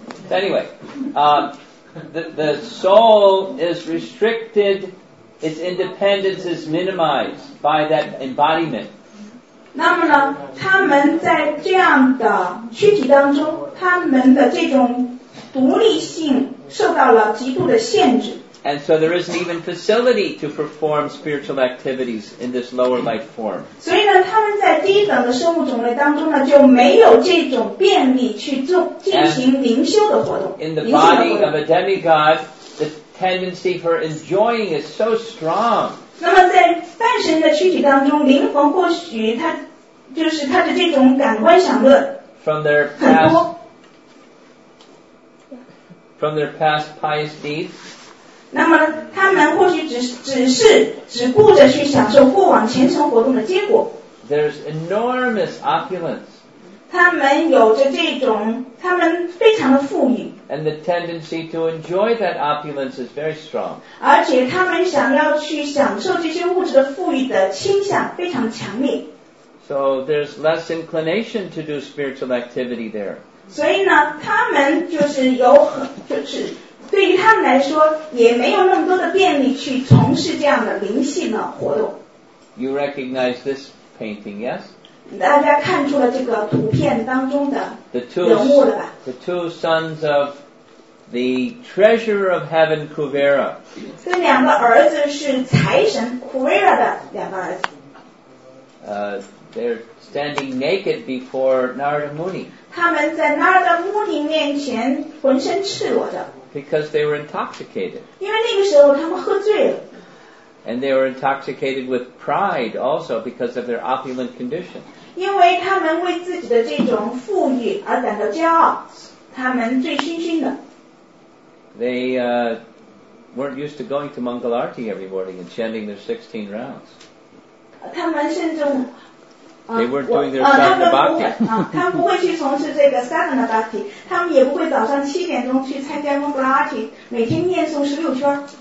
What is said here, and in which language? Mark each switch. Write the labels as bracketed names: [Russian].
[English] Anyway， the soul is restricted， its independence is minimized by that embodiment。 [Chinese] 那么呢，他们在这样的躯体当中，他们的这种独立性受到了极度的限制。 [English] And so there isn't even facility to perform spiritual activities in this lower life form. [Chinese] 所以呢，他们在低等的生物种类当中呢，就没有这种便利去做进行灵修的活动。 [English] In the body of a demigod, the tendency for enjoying is so strong. [Chinese] 那么在半神的躯体当中，灵魂或许他就是他的这种感官享乐很多。 [English] From their past pious deeds. [Chinese] 那么他们或许只顾着去享受过往虔诚活动的结果。 [English] There's enormous opulence. [Chinese] 他们有着这种，他们非常的富裕。 [English] And the tendency to enjoy that opulence is very strong. [Chinese] 而且他们想要去享受这些物质的富裕的倾向非常强烈。 [English] So there's less inclination to do spiritual activity there. [Chinese] 所以呢，他们就是有很，就是对于他们来说，也没有那么多的便利去从事这样的灵性的活动。 [English] You recognize this painting, yes? [Chinese] 大家看出了这个图片当中的人物了吧 [English] ？The two sons of the treasurer of heaven, Kuvera. [Chinese] 这两个儿子是财神 Kuvera 的两个儿子。 [English] They're standing naked before Narada Muni. [Chinese] 他们在 Narada Muni 面前浑身赤裸的。 [English] Because they were intoxicated. [Chinese] 因为那个时候他们喝醉了。 [English] And they were intoxicated with pride also because of their opulent condition. [Chinese] 因为他们为自己的这种富裕而感到骄傲，他们醉醺醺的。 [English] They weren't used to going to Mangalarti every morning and chanting their 16 rounds. [Chinese] 他们甚至 [English] They weren't doing their sadhana bhakti. [Chinese] 他们不会去从事这个 sadhana bhakti. 他们也不会早上七点钟去参加 mangalarti， 每天念诵十六圈。